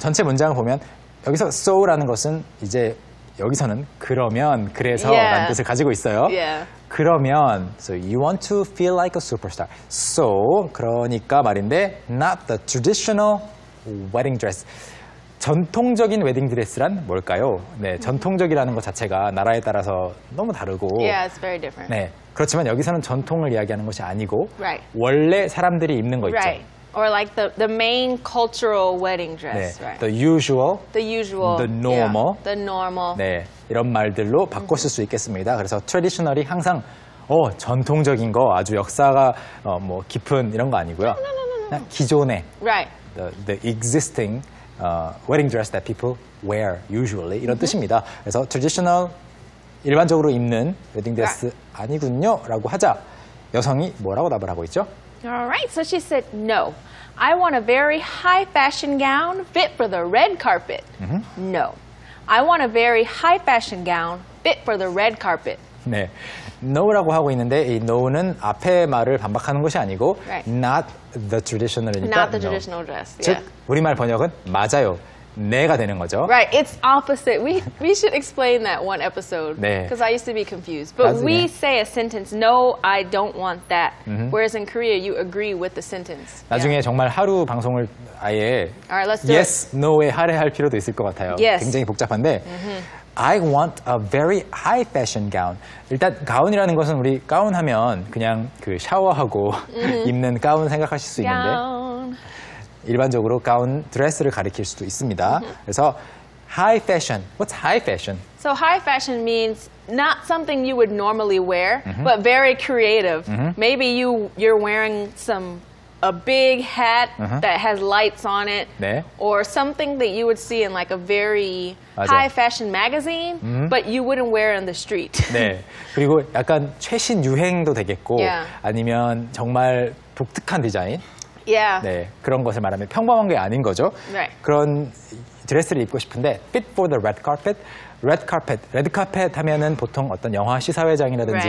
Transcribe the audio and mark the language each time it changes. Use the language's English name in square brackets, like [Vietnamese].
[Korean] 전체 문장을 보면 여기서 so라는 것은 이제 여기서는 그러면 그래서 [English] yeah. [Korean] 라는 뜻을 가지고 있어요. [English] Yeah. [Korean] 그러면 [English] so you want to feel like a superstar. So [Korean] 그러니까 말인데 [English] not the traditional wedding dress. [Korean] 전통적인 웨딩 드레스란 뭘까요? 네, 전통적이라는 것 자체가 나라에 따라서 너무 다르고 [English] Yeah, it's very different. [Korean] 네. 그렇지만 여기서는 전통을 이야기하는 것이 아니고 [English] right. [Korean] 원래 사람들이 입는 거 있죠. [English] Right. Or like the main cultural wedding dress, 네. right? The usual. The normal. Yeah. The normal. [Korean] 네. 이런 말들로 바꿔 쓸 수 있겠습니다. 그래서 traditional이 항상 전통적인 거 아주 역사가 뭐 깊은 이런 거 아니고요. [English] No. [Korean] 기존의 [English] right. the existing wedding dress that people wear usually [Korean] 이런 [English] mm-hmm. [Korean] 뜻입니다. 그래서 traditional 일반적으로 입는 웨딩 드레스 right. 아니군요라고 하자 여성이 뭐라고 답을 하고 있죠? [English] All right, so she said no. I want a very high fashion gown fit for the red carpet. Mm-hmm. No, I want a very high fashion gown fit for the red carpet. [Korean] 네, no라고 하고 있는데 이 no는 앞에 말을 반박하는 것이 아니고 [English] right. not the traditional이니까 not the traditional no. dress. [Korean] 즉 [English] yeah. [Korean] 우리말 번역은 맞아요. 네가 되는 거죠. [English] Right, it's opposite. We should explain that one episode. [Korean] 네. [English] Because I used to be confused. But [Korean] 나중에. [English] we say a sentence, no, I don't want that. Mm-hmm. Whereas in Korea, you agree with the sentence. [Korean] 나중에 [English] yeah. [Korean] 정말 하루 방송을 아예 [English] All right, let's do yes, it. [Korean] no에 할애할 필요도 있을 것 같아요. [English] Yes. [Korean] 굉장히 복잡한데 [English] mm-hmm. I want a very high fashion gown. [Korean] 일단 가운이라는 것은 우리 가운 하면 그냥 그 샤워하고 mm-hmm. 입는 가운 생각하실 수 [English] gown. [Korean] 있는데 일반적으로 가운 드레스를 가리킬 수도 있습니다. [English] Mm-hmm. [Korean] 그래서 [English] high fashion. What's high fashion? So high fashion means not something you would normally wear, mm-hmm. but very creative. Mm-hmm. Maybe you're wearing a big hat mm-hmm. that has lights on it, [Korean] 네. [English] or something that you would see in like a very [Korean] 맞아. [English] high fashion magazine, mm-hmm. but you wouldn't wear on the street. [Korean] 네. 그리고 약간 최신 유행도 되겠고, [English] yeah. [Korean] 아니면 정말 독특한 디자인. [English] Yeah. [Korean] 네, 그런 것을 말하면 평범한 게 아닌 거죠. [English] Right. [Korean] 그런 드레스를 입고 싶은데 [English] fit for the red carpet. Red carpet. [Korean] 레드 카펫 하면은 보통 어떤 영화 시사회장이라든지